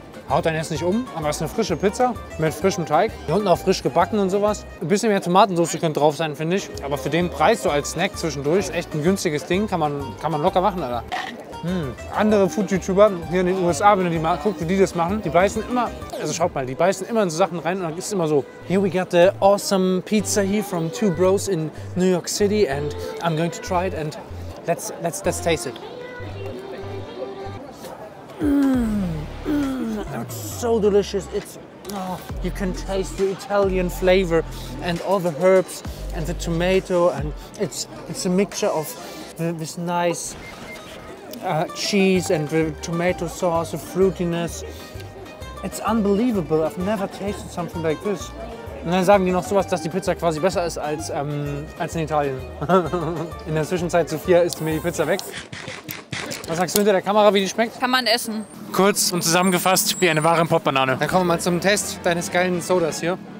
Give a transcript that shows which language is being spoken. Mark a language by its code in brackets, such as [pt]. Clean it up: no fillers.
[de] Haut dein Essen nicht um, aber es ist eine frische Pizza mit frischem Teig. Hier unten auch frisch gebacken und sowas. Ein bisschen mehr Tomatensauce könnte drauf sein, finde ich. Aber für den Preis, so als Snack zwischendurch, echt ein günstiges Ding. Kann man locker machen, Alter. Andere Food-YouTuber hier in den USA, wenn du die mal guckst, wie die das machen, die beißen immer, also schaut mal, die beißen immer in so Sachen rein und dann ist es immer so. [en] Here we got the awesome pizza here from two bros in New York City and I'm going to try it and let's taste it. That's so delicious, you can taste the Italian flavor and all the herbs and the tomato and it's a mixture of this nice cheese and the tomato sauce, the fruitiness. It's unbelievable, I've never tasted something like this. [de] Und dann sagen die noch sowas, dass die Pizza quasi besser ist als in Italien. In der Zwischenzeit, Sophia, isst mir die Pizza weg. Was sagst du hinter der Kamera, wie die schmeckt? Kann man essen. Kurz und zusammengefasst, wie eine wahre Popbanane. Dann kommen wir mal zum Test deines geilen Sodas hier.